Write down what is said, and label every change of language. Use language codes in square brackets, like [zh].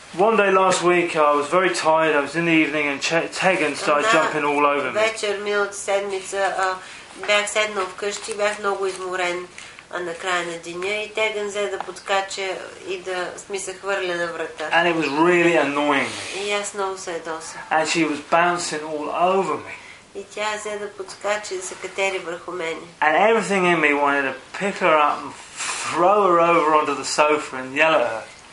[en] One day last week I was very tired. I was in the evening and Tegan started jumping all over me. [bg] Вечер миналата седмица бях седнал вкъщи, бях много изморен на края на деня и Теган взе да подскача и да ми се хвърля на врата. [en] And it was really annoying. [bg] И аз много се ядосах. [en] And she was bouncing all over me. [bg] И тя взе да подскача и да се катери върху мен. [en] And everything in me wanted to pick her up and throw her over onto the sofa and yell at her.